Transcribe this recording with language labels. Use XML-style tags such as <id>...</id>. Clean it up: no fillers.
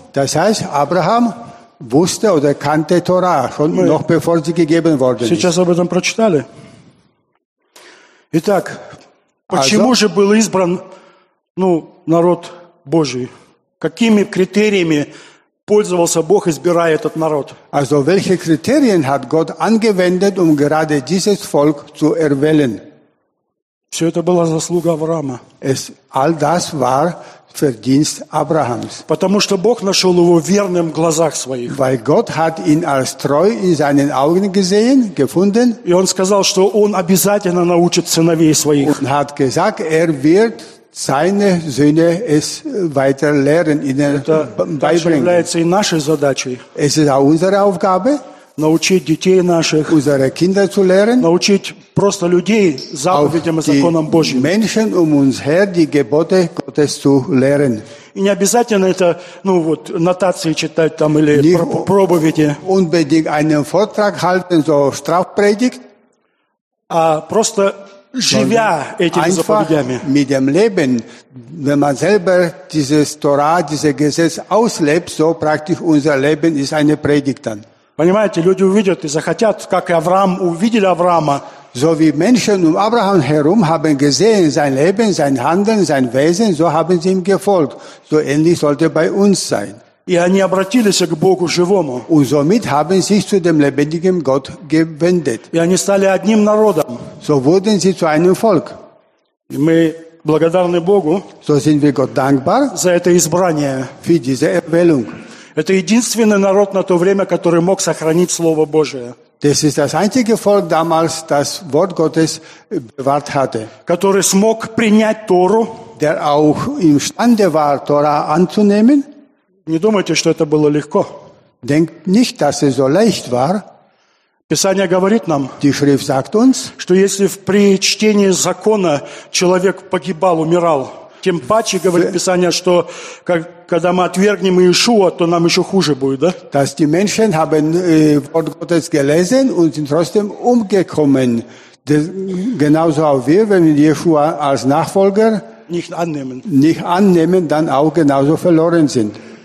<de>Das heißt, Abraham wusste oder kannte Torah, schon noch bevor sie gegeben worden ist.</de> <ru>Сейчас об этом прочитали. Итак, почему же был избран народ Божий? Какими критериями пользовался Бог, избирая этот народ?</ru> <de>Also, welche Kriterien hat Gott angewendet, gerade dieses Volk zu erwählen?</de> <ru>Все это была заслуга Авраама.</ru> <de>All das war Verdienst Abrahams.</de> <ru>Потому что Бог нашел его верным в глазах своих.</ru> <de>Weil Gott hat ihn als treu in seinen Augen gesehen, gefunden.</de> <ru>И он сказал, что он обязательно научит сыновей своих.</ru> <de>Und hat gesagt, wird seine Söhne es weiter lehren, ihnen beibringen.</de> <ru>Это является и нашей задачей.</ru> <de>Es ist auch unsere Aufgabe.</de> <ru>Научить детей наших,</ru> <de>unsere Kinder zu lernen,</de> <ru>научить просто людей заповедям и законам Божьим.</ru> <de>Menschen uns her, die Gebote Gottes zu lernen.</de> <ru>И не обязательно это, нотации читать там или проповеди.</ru> <de>Unbedingt einen Vortrag halten, so Strafpredigt.</de> <ru>А просто живя этими заповедями.</ru> <de>Mit dem Leben, wenn man selber dieses Torah, dieses Gesetz auslebt, so praktisch unser Leben ist eine Predigt dann.</de> <ru>Понимаете, люди увидят и захотят, как и Авраам, увидели Авраама.</ru> <de>So wie Menschen Abraham herum haben gesehen, sein Leben, sein Handeln, sein Wesen, so haben sie ihm gefolgt. So ähnlich sollte bei uns sein.</de> <ru>И они обратились к Богу живому.</ru> <de>Und somit haben sich zu dem lebendigen Gott gewendet.</de> <ru>И они стали одним народом.</ru> <de>So wurden sie zu einem Volk.</de> <ru>И мы благодарны Богу.</ru> <de>So sind wir Gott dankbar.</de> <ru>За это избрание.</ru> <de>Für diese Erwählung.</de> <ru>Это единственный народ на то время, который мог сохранить Слово Божие.</ru> <de>Das ist das einzige Volk damals, das Wort Gottes bewahrt hatte.</de> <ru>Который смог принять Тору.</ru> <de>Der auch imstande war, Tora anzunehmen.</de> <ru>Не думайте, что это было легко.</ru> <de>Denkt nicht, dass es so leicht war.</de> <ru>Писание говорит нам,</ru> <de>die Schrift sagt uns,</de> <ru>что если при чтении закона человек погибал, умирал, тем паче, говорит Писание, что когда мы отвергнем Иешуа, то нам еще хуже будет, да?</ru> <de>Dass die Menschen haben Wort Gottes gelesen und sind trotzdem umgekommen. Genauso auch wir, wenn wir Jeshua als Nachfolger nicht annehmen, dann auch genauso verloren sind.</de>